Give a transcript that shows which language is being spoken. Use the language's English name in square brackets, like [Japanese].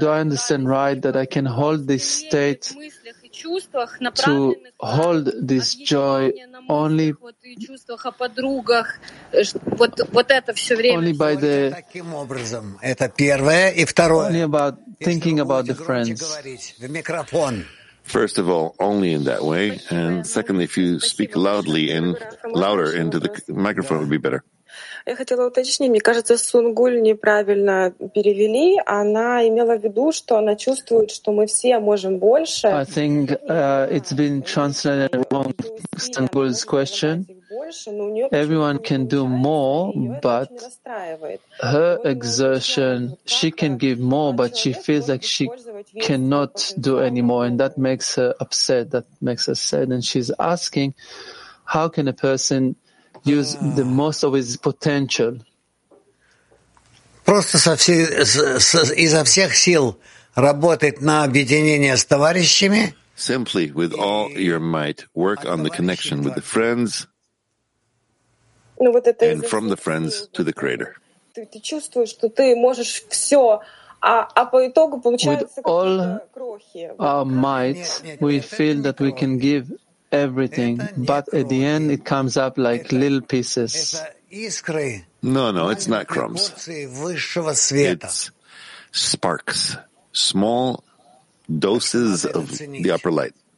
[English] Do I understand right that I can hold this state? To hold this joy only by the only about thinking about the friends. First of all, only in that way, and secondly, if you speak loudly and louder into the microphone, would be better. [Russian] Я хотела уточнить, мне кажется, Сунгуль неправильно перевели. Она имела в виду, что она чувствует, что мы все можем больше. [English] I think it's been translated wrong, Sungul's question. Everyone can do more, but her exertion, she can give more, but she feels like she cannot do any more, and that makes her upset, that makes her sad. And she's asking, how can a person use the most of his potential. [Russian] Просто со всех изо всех сил работать на объединение с товарищами. [English] Simply with all your might work on the connection with the friends. [Russian] Ну вот это [English] And from the friends to the creator. [Russian] Ты чувствуешь, что ты можешь всё, а по итогу получается крохи. [English] All might we feel that we can give everything, but at the end it comes up like little pieces. No, it's not crumbs. It's sparks, small doses of the upper light.